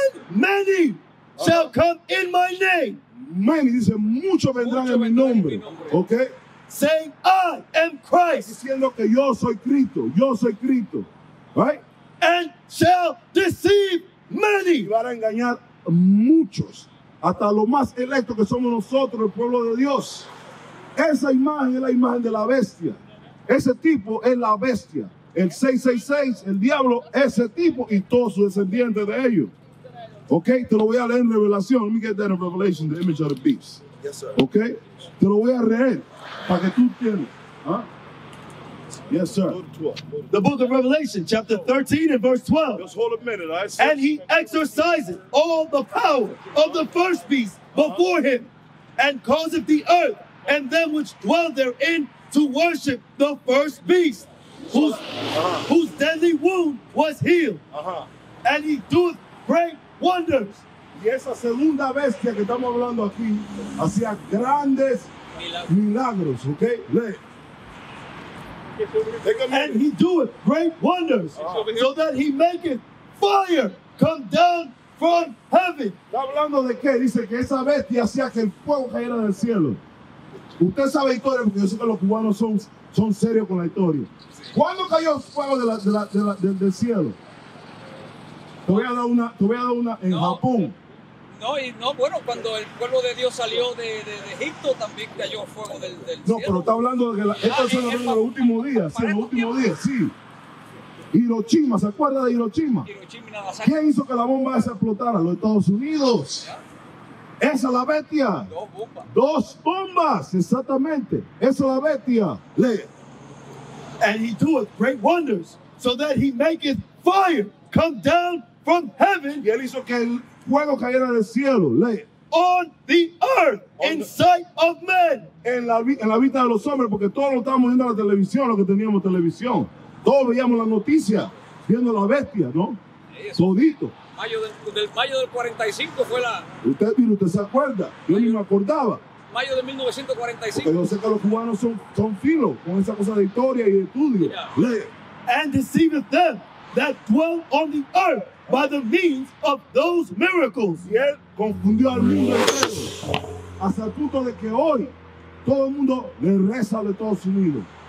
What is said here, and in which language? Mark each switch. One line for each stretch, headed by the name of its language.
English: Many shall come in my name.
Spanish: Many, dice, muchos vendrán en mi nombre. Okay?
English: Saying, I am Christ.
Spanish: Diciendo que yo soy Cristo. Yo soy Cristo. Right?
English: And shall deceive many.
Spanish: Y van a engañar muchos. Hasta los más electos que somos nosotros, el pueblo de Dios. Esa imagen es la imagen de la bestia. Ese tipo es la bestia. El 666, el diablo, ese tipo y todos sus descendientes de ellos. Ok, te lo voy a leer en Revelación.
English: Let me get that in Revelation, the image of the beast. Yes, sir.
Spanish: Ok, te lo voy a leer para que tú entiendas.
English: Yes, sir. The book of Revelation, chapter 13 and verse 12. Just hold a minute. Right? And he exercises all the power of the first beast before him and causeth the earth and them which dwell therein to worship the first beast. Whose deadly wound was healed. And he doeth great wonders.
Spanish: Y esa segunda bestia que estamos hablando aquí hacía grandes milagros. Okay? Lee.
English: And he doeth great wonders. So that he maketh fire come down from heaven.
Spanish: ¿Está hablando de qué? Dice que esa bestia hacía que el fuego cayera del cielo. Usted sabe historia porque yo sé que los cubanos son serios con la historia. ¿Cuándo cayó el fuego del cielo? Te voy a dar una en Japón. Bueno, cuando el pueblo de Dios salió de Egipto, también cayó fuego del cielo. No, pero está hablando de que los últimos días, sí. Hiroshima, ¿se acuerda de Hiroshima? Hiroshima y Nagasaki. ¿Quién hizo que la bomba esa explotara? Los Estados Unidos. ¿Ya? Esa es la bestia. Dos bombas, exactamente. Esa es la bestia. Lee. And he doeth great wonders, so that he maketh fire come down from heaven. Y él hizo que el fuego cayera del cielo. Lee. On the earth, in sight of men. En la vista de los hombres, porque todos lo estábamos viendo a la televisión, lo que teníamos televisión. Todos veíamos la noticia, viendo la bestia, ¿no? Eso. Todito. Mayo del 45 fue la... Usted se acuerda. Yo ni me acordaba. Mayo de 1945. Porque yo sé que los cubanos son filos con esa cosa de historia y de estudio. Yeah.
English: And deceiveth them that dwell on the earth by the means of those miracles.
Spanish: Y él confundió al mundo entero. hasta el punto de que hoy todo el mundo le reza a los Estados Unidos.